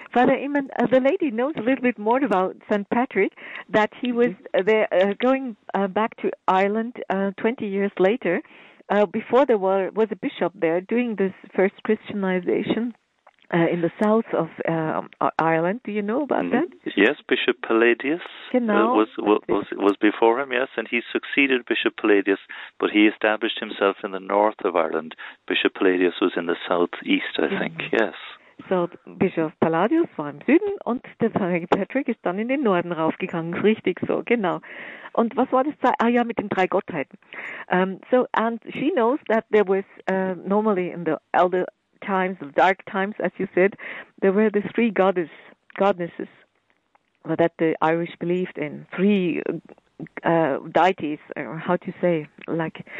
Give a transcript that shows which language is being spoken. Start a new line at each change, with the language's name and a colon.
English: Father Eamon, the lady knows a little bit more about St. Patrick, that he was there going back to Ireland 20 years later, before there was a bishop there doing this first Christianization in the south of Ireland. Do you know about that? Yes, Bishop Palladius was before him, yes, and he succeeded Bishop Palladius, but he established himself in the north of Ireland. Bishop Palladius was in the southeast, I think, yes.
German: So, Bischof Palladius war im Süden und der heilige Patrick ist dann in den Norden raufgegangen. Richtig so, genau. Und was war das? Ah ja, mit den drei Gottheiten.
English: So, and she knows that there was normally in the elder times, the dark times, as you said, there were the three goddesses that the Irish believed in. Three deities, or how to say, like